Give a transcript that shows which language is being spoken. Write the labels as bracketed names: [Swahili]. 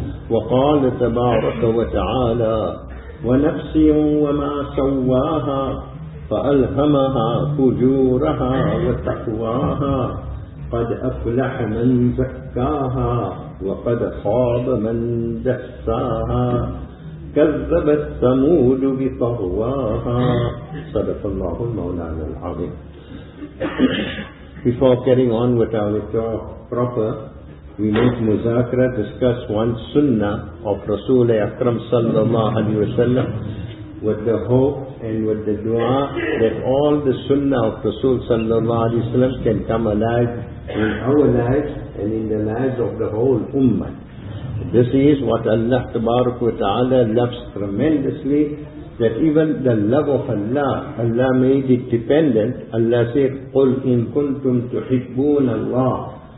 [Arabic] وقال تبارك وتعالى ونفس وما سواها فألهمها فجورها وتقواها قد أفلح من زكاها وقد خاب من دساها كذبت ثمود بطغواها صدق الله المولانا العظيم. [English] Before carrying on with our lecture proper, we make muzakara, discuss one sunnah of Rasul Akram sallallahu alayhi wa sallam with the hope and with the dua that all the sunnah of Rasul sallallahu alayhi wa sallam can come alive in our lives and in the lives of the whole Ummah. This is what Allah Tabarak wa Ta'ala loves tremendously, that even the love of Allah, Allah made it dependent. Allah said, [Arabic] قُلْ إِن كُنْتُمْ تُحِبُّونَ اللَّهِ.